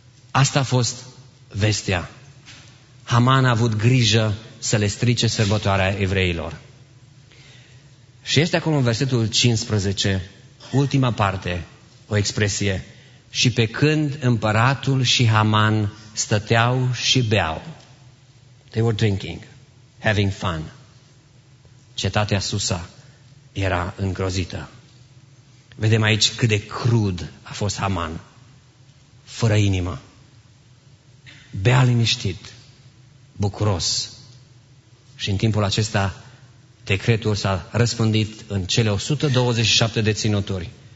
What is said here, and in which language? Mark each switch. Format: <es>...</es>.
<ro>Asta a fost vestea. Haman a avut grijă să le strice sărbătoarea evreilor. Și este acolo în versetul 15, ultima parte, o expresie. Și pe când împăratul și Haman stăteau și beau.</ro> <en>They were drinking, having fun.</en> <ro>Cetatea Susa era îngrozită. Vedem aici cât de crud a fost Haman. Fără inimă. Bea liniștit, bucuros. Și în timpul acesta decretul s-a răspândit în cele 127 de ținuturi.</ro>